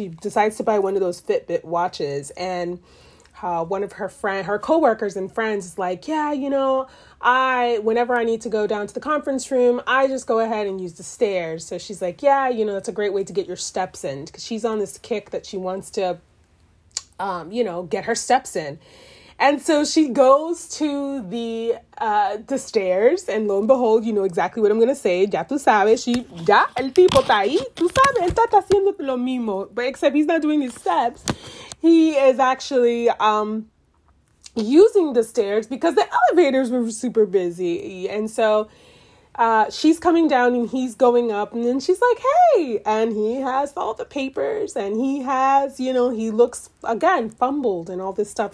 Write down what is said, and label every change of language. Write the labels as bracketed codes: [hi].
[en] She decides to buy one of those Fitbit watches. And one of her coworkers and friends is like, yeah, you know, whenever I need to go down to the conference room, I just go ahead and use the stairs. So she's like, yeah, you know, that's a great way to get your steps in. Cause she's on this kick that she wants to, get her steps in. And so she goes to the stairs, and lo and behold, you know exactly what I'm going to say. [es] Ya tú sabes, ya el tipo está ahí. Tú sabes, él está haciendo lo mismo. [en] But except he's not doing his steps. He is actually using the stairs because the elevators were super busy. And so she's coming down and he's going up, and then she's like, hey, and he has all the papers and he has, you know, he looks again fumbled and all this stuff.